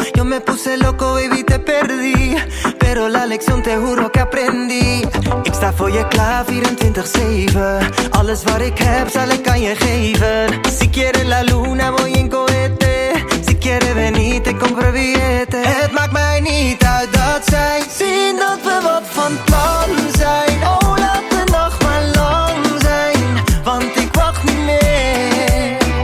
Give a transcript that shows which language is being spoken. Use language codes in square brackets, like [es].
[es] Yo me puse loco, baby, te perdí. Pero la lección te juro que aprendí. [nl] Ik sta voor je klaar 24/7. Alles wat ik heb zal ik aan je geven. [es] Si quiere la luna voy en cohete. Si quiere venir te compro billete. [nl] Het maakt mij niet uit dat zij zien dat we wat van plan zijn. Oh, laat de nacht maar lang zijn, want ik wacht niet meer.